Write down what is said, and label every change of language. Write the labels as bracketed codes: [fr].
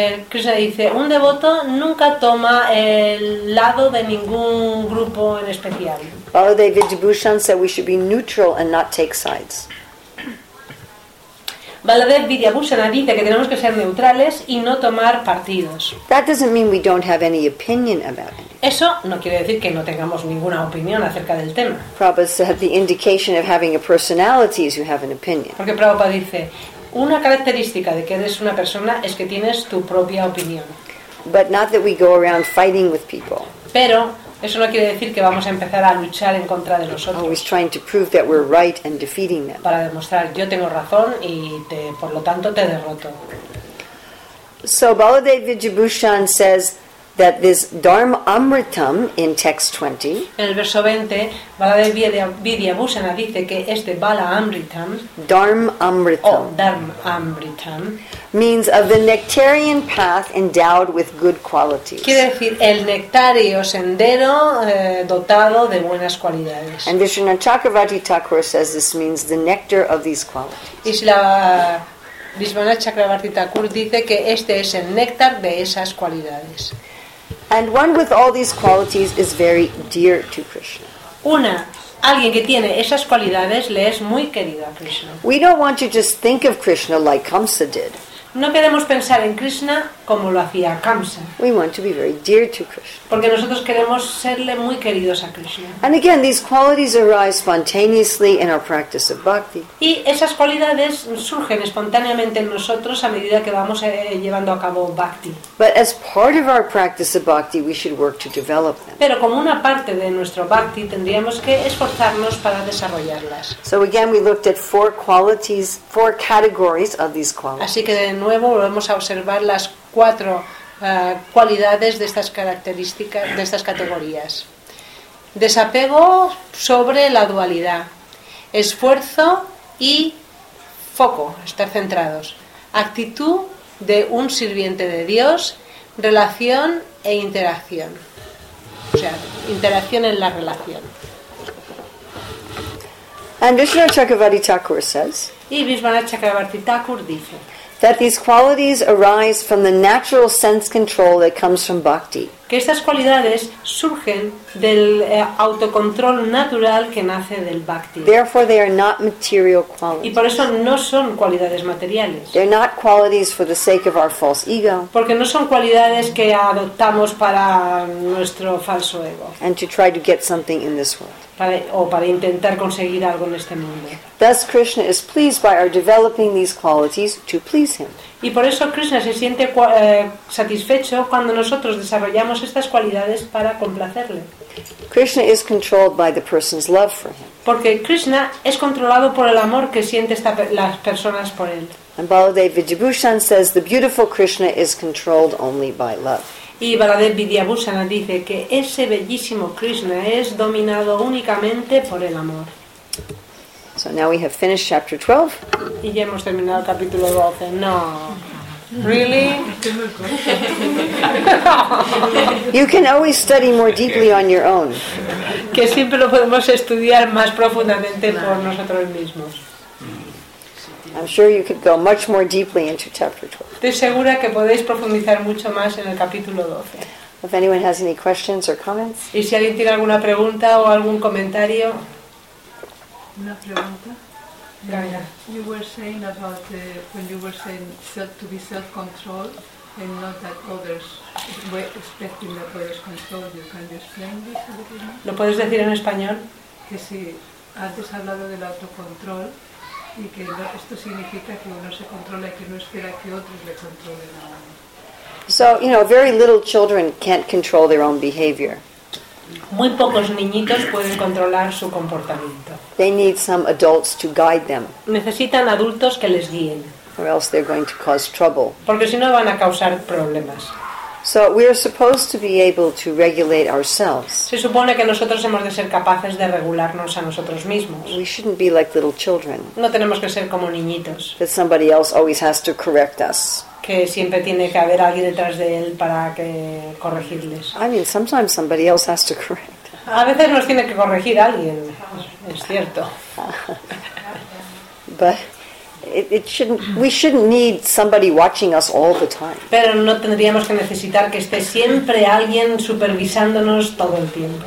[es] Krishna dice, un devoto nunca toma el lado de ningún grupo en especial. [en] Baladev Vidyabhushan said we should be neutral and not take sides. [es] Baladev Vidyabhushan dice que tenemos que ser neutrales y no tomar partidos. [en] That doesn't mean we don't have any opinion about it. [es] Eso no quiere decir que no tengamos ninguna opinión acerca del tema. [en] Prabhupada said the indication of having a personality is you have an opinion. [es] Porque Prabhupada dice, una característica de que eres una persona es que tienes tu propia opinión. [en] But not that we go around fighting with people. [es] Pero eso no quiere decir que vamos a empezar a luchar en contra de los otros. [en] Always trying to prove that we're right and defeating them. [es] Para demostrar yo tengo razón y te, por lo tanto te derroto. [en] So Baladev Vidyabhushan says that this Dharma Amritam in text 20. [es] En el verso 20, Baladev Vidyabhushana dice que este Bala Amritam, [en] Dharma Amritam, means of the nectarian path endowed with good qualities. [es] Quiere decir el nectario sendero dotado de buenas cualidades. [en] And Vishnu Chakravarti Thakur says this means the nectar of these qualities. [es] Y si la Vishnu Chakravarti Thakur dice que este es el néctar de esas cualidades. [en] And one with all these qualities is very dear to Krishna. [es] Una, alguien que tiene esas cualidades le es muy querido a Krishna. [en] We don't want to just think of Krishna like Kamsa did. [es] No queremos pensar en Krishna como lo hacía Kamsa. [en] We want to be very dear to Krishna. [es] Porque nosotros queremos serle muy queridos a Krishna. [en] And again, these qualities arise spontaneously in our practice of bhakti. [es] Y esas cualidades surgen espontáneamente en nosotros a medida que vamos llevando a cabo bhakti. [en] But as part of our practice of bhakti, we should work to develop them. [es] Pero como una parte de nuestro bhakti, tendríamos que esforzarnos para desarrollarlas. [en] So again, we looked at four categories of these qualities. [es] Así que de nuevo volvemos a observar las cuatro cualidades de estas características, de estas categorías: desapego sobre la dualidad, esfuerzo y foco, estar centrados, actitud de un sirviente de Dios, relación e interacción, o sea, interacción en la relación. [en] And Vishwana Chakravarti Thakur says, [es] y Vishwana Chakravarti Thakur dice, [en] that these qualities arise from the natural sense control that comes from bhakti. [es] Que estas cualidades surgen del autocontrol natural que nace del bhakti. [en] Therefore they are not material qualities. [es] Y por eso no son cualidades materiales. [en] They're not qualities for the sake of our false ego. [es] Porque no son cualidades que adoptamos para nuestro falso ego. [en] And to try to get something in this world. [es] Para intentar conseguir algo en este mundo. [en] Thus Krishna is pleased by our developing these qualities to please him. [es] Y por eso Krishna se siente satisfecho cuando nosotros desarrollamos estas cualidades para complacerle. [en] Krishna is controlled by the person's love for him. [es] Porque Krishna es controlado por el amor que siente las personas por él. [en] And Baladev Vidyabhushan says the beautiful Krishna is controlled only by love. [es] Y Baladev Vidyabhushana dice que ese bellísimo Krishna es dominado únicamente por el amor. [en] So now we have finished chapter 12. [es] Y ya hemos terminado el capítulo 12. No. [en] Really? You can always study more deeply on your own. [es] Que siempre lo podemos estudiar más profundamente por nosotros mismos. [en] I'm sure you could go much more deeply into chapter 12. [es] Estoy segura que podéis profundizar mucho más en el capítulo 12. [en] If anyone has any questions or comments. [es] ¿Y si alguien tiene alguna pregunta o algún comentario? Una pregunta. [en] You were saying about the, when you were saying self, to be self-controlled and not that others were expecting that others controlled you. Can you explain this a little bit? [es] ¿Lo puedes decir en español? Que si antes hablado del autocontrol y que no, esto significa que uno se controla y que no espera que otros le controlen a uno. [en] So, you know, very little children can't control their own behavior. [es] Muy pocos niñitos pueden controlar su comportamiento. [en] They need some adults to guide them. [es] Necesitan adultos que les guíen. [en] Or else they're going to cause trouble. [es] Porque si no van a causar problemas. [en] So, we are supposed to be able to regulate ourselves. [es] Se supone que nosotros hemos de ser capaces de regularnos a nosotros mismos. [en] We shouldn't be like little children. [es] No tenemos que ser como niñitos. [en] That somebody else always has to correct us. [es] Que siempre tiene que haber alguien detrás de él para que corregirles. [en] I mean, sometimes somebody else has to correct. [es] A veces nos tiene que corregir alguien, es cierto. [en] But it shouldn't, we shouldn't need somebody watching us all the time. [es] Pero no tendríamos que necesitar que esté siempre alguien supervisándonos todo el tiempo.